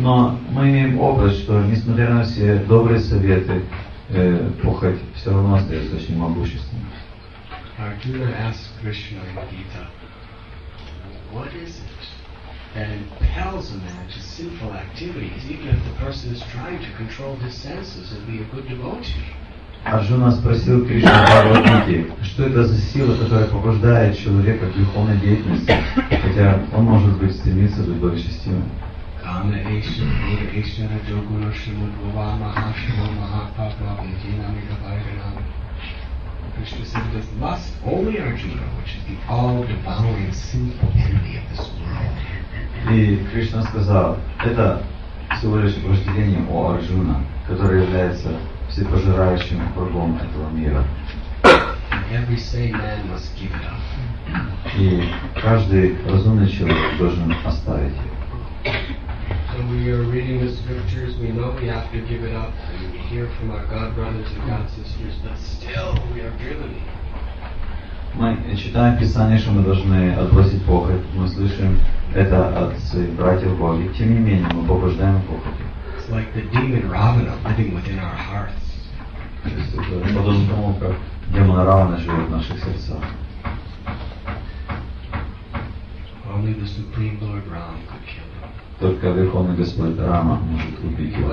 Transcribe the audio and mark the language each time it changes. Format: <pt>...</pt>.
<ru>Но мы имеем опыт, что несмотря на все добрые советы, похоть все равно остается очень могущественной.</ru> <en>Arjuna asked Krishna in Gita, what is it that impels a man to sinful activities, even if the person is trying to control his senses and be a good devotee?</en> <ru>Arjuna спросил Кришну Бхагавадгите, что это за сила, которая побуждает человека к духовной деятельности, хотя он может быть стремится быть благочестивым. Kama esha, mura esha, na jogunashimu, bhava maha, shiva maha, papa, bhajina, mika, bhajina.</ru> <en>is with lust only Arjuna, which is the all-devouring sinful enemy of this world.</en> <ru>И Кришна сказал, это всего лишь вожделение у Арджуна, который является всепожирающим врагом этого мира.</ru> <en>Every sane man must give it up.</en> <ru>И каждый разумный человек должен оставить его.</ru> <en>So we are reading the scriptures, we know we have to give it up, and we hear from our God brothers and God sisters, but still we are driven.</en> <ru>Мы читаем Писание, что мы должны отбросить похоть. Мы слышим это от своих братьев Бога. Тем не менее, мы побуждаем похоть.</ru> <en>It's like the demon Ravana living within our hearts.</en> <ru>Подобно тому, как демон Равана живет в наших сердцах.</ru> <en>Only the Supreme Lord Ram could kill him.</en> <ru>Только Верховный Господь Рама может убить его.</ru>